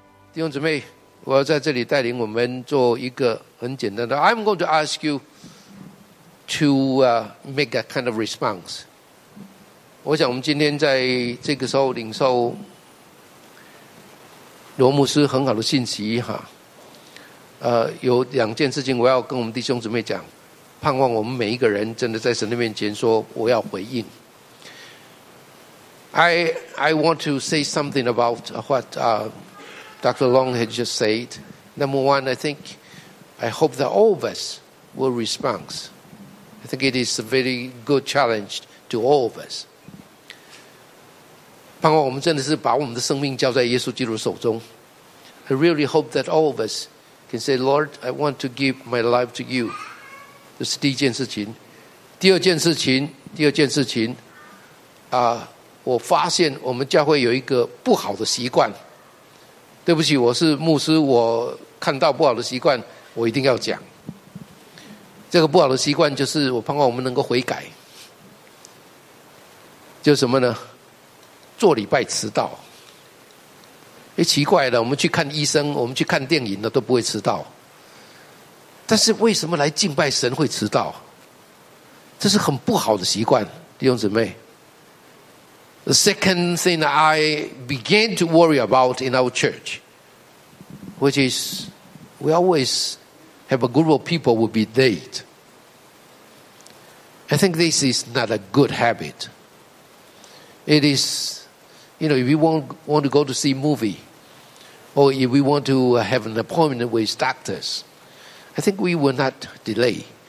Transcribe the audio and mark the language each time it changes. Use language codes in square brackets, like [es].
[zh] 弟兄姊妹，我要在这里带领我们做一个很简单的。 [en] I'm going to ask you to make a kind of response. [zh] 我想我们今天在这个时候领受罗牧师很好的信息哈。有两件事情我要跟我们弟兄姊妹讲，盼望我们每一个人真的在神的面前说我要回应。 [en] I want to say something about what Dr. Long had just said. Number one, I hope that all of us will respond. I think it is a very good challenge to all of us. [zh] 盼望我们真的是把我们的生命交在耶稣基督手中。 [en] I really hope that all of us can say, Lord, I want to give my life to you. [zh] 这是第一件事情。第二件事情，我发现我们教会有一个不好的习惯。对不起，我是牧师，我看到不好的习惯我一定要讲。这个不好的习惯就是我盼望我们能够悔改，就什么呢？做礼拜迟到。诶，奇怪了，我们去看医生，我们去看电影的都不会迟到，但是为什么来敬拜神会迟到？这是很不好的习惯，弟兄姊妹。 [en] The second thing that I began to worry about in our church, which is we always have a group of people who will be late. I think this is not a good habit. It is, you know, if we want to go to see a movie, or if we want to have an appointment with doctors, I think we will not delay.